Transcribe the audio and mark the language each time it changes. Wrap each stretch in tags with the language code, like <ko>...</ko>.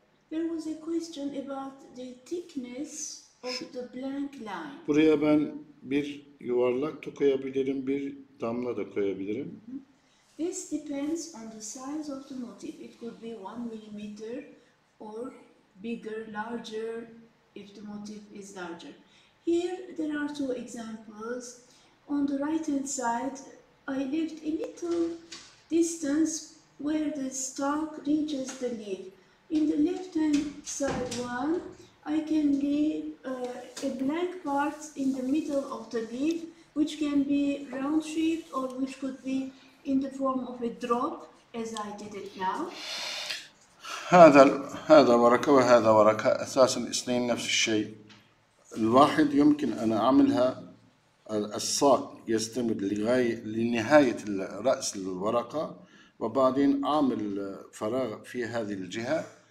<en>There was a question about the thickness of the blank line.</en> <tr>Buraya ben bir yuvarlak da koyabilirim, bir damla da koyabilirim.</tr> <en>This depends on the size of the motif. It could be 1 millimeter or bigger, larger if the motif is larger. Here there are two examples. On the right hand side, I left a little distance where the stalk reaches the leaf. In the left hand side one, I can leave a blank part in the middle of the leaf, which can be round shaped or which could be in the form of a drop, as I did it now.</en> <ar>هذا ورقة وهذا ورقة أساسا اثنين نفس الشيء. الواحد يمكن أن أعملها الساق يستمد لغاية لنهاية رأس الورقة وبعدين أعمل فراغ في هذه الجهة.</ar>